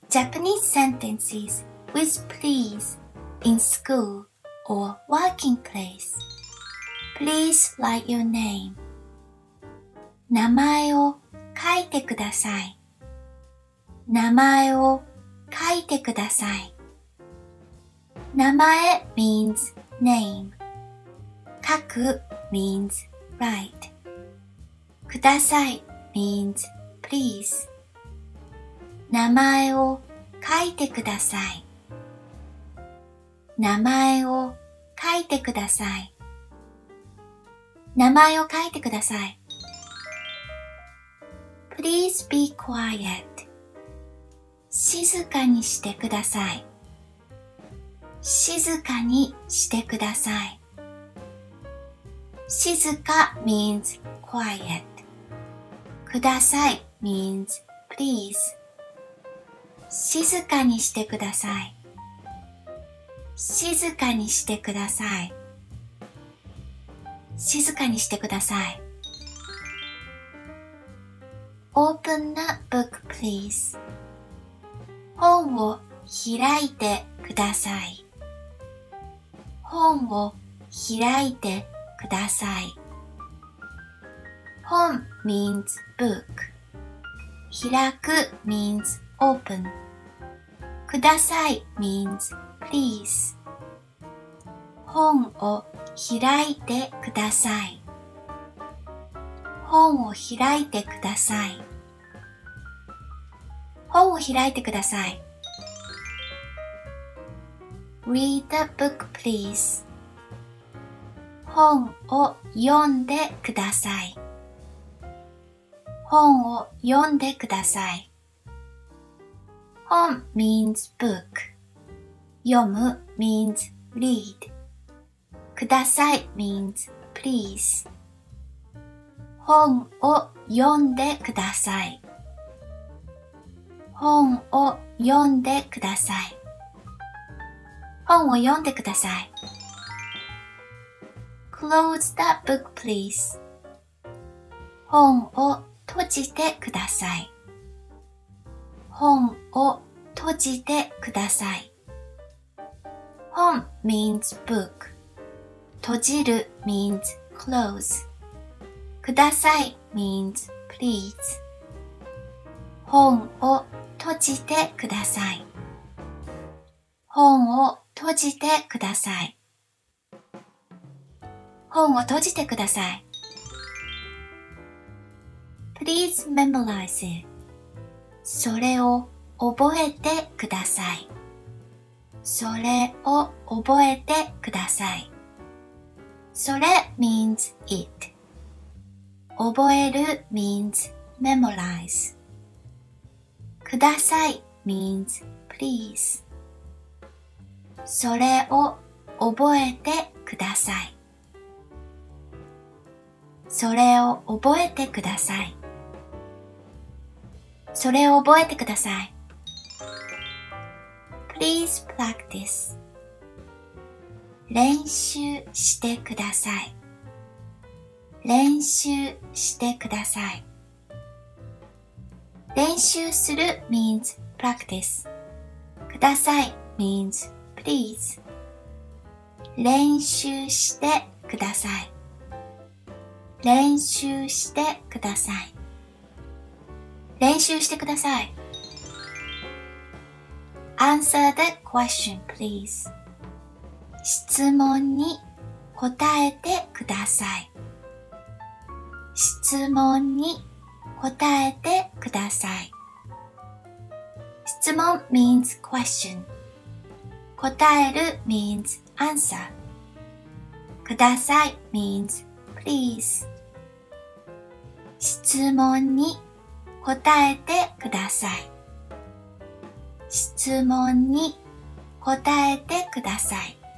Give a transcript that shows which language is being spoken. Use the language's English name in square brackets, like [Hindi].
[English] Japanese sentences with please in school or working place. Please write your name. [Japanese] 名前を書いてください。名前を書いてください。 [English] 名前 means name. 書く means write. [Japanese] ください [English] means please. [Japanese] 名前を書いてください。名前を書いてください。名前を書いてください。 [English] Please be quiet. [Japanese] 静かにしてください。静かにしてください。 [English] 静か means quiet. ください means please. [Japanese] 静かにしてください。静かにしてください。静かにしてください。 [English] Open that book, please. [Japanese] 本を開いてください。本を開いてください。 [English] 本 means book. 開く means open. ください means please. [Japanese] 本を開いてください。本を開いてください。本を開いてください。 [English] Read the book, please. [Japanese] 本を読んでください。本を読んでください。本 [English] means book. 読む means read. ください means please. [Japanese] 本を読んでください。本を読んでください。本を読んでください。 [English] Close that book, please. [Japanese] 本を閉じてください。本を閉じてください。本 [English] means book. 閉じる means close. ください means please. [Japanese] 本を閉じてください。本を閉じてください。本を閉じてください。 [English] Please memorize it. [Japanese] それを覚えてください。それを覚えてください。 [English] それ means it. 覚える means memorize. [Japanese] ください [English] means please. [Japanese] それを覚えてください。それを覚えてください。それを覚えてください。 [English] Please practice. [Japanese] 練習してください。練習してください。 [English] 練習する means practice. ください means please. [Japanese] 練習してください。練習してください。練習してください。 [English] Answer the question, please. [Japanese] 質問に答えてください。質問に答えてください。 [English] 質問 means question. 答える means answer. [Japanese] ください [English] means please. [Japanese] 質問に答えてください。質問に答えてください。